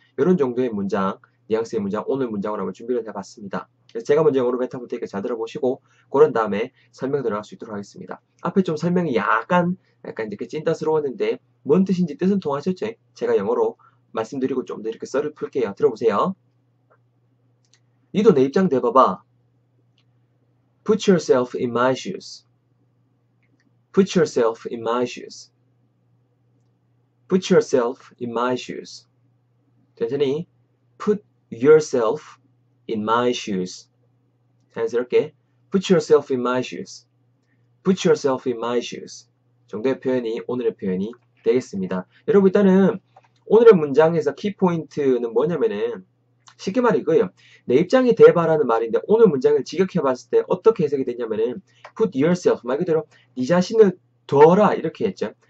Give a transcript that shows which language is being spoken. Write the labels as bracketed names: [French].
[Korean] 요런 정도의 문장, 뉘앙스의 문장, 오늘 문장으로 한번 준비를 해봤습니다. 그래서 제가 먼저 영어로 뱉어볼 테니까 잘 들어보시고, 그런 다음에 설명 들어갈 수 있도록 하겠습니다. 앞에 좀 설명이 약간 이렇게 찐따스러웠는데, 뭔 뜻인지 뜻은 통하셨죠? 제가 영어로 말씀드리고 좀더 이렇게 썰을 풀게요. 들어보세요. 니도 내 입장 대봐봐. [English] Put yourself in my shoes. Put yourself in my shoes. Put yourself in my shoes. [Korean] 천천히. [English] Put yourself in my shoes. [Korean] 자연스럽게 [English] put yourself in my shoes. Put yourself in my shoes. [Korean] 정도의 표현이 오늘의 표현이 되겠습니다. 여러분 일단은 오늘의 문장에서 키포인트는 뭐냐면은 쉽게 말해 이거예요. 내 입장이 대바라는 말인데 오늘 문장을 직역해 봤을 때 어떻게 해석이 되냐면은 [English] put yourself [Korean] 말 그대로 네 자신을 둬라 이렇게 했죠.